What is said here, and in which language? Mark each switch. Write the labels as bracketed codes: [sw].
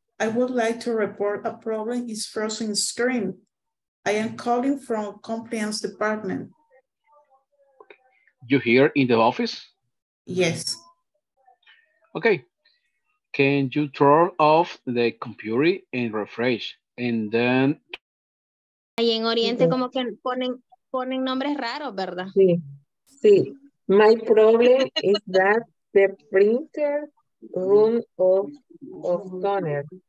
[en] I would like to report a problem is frozen screen. I am calling from compliance department. You here in the office? Yes. Okay. Can you turn off the computer and refresh and then [es] ahí en Oriente como que ponen nombres raros, ¿verdad? Sí, sí. [en] My problem is that the printer run of toner.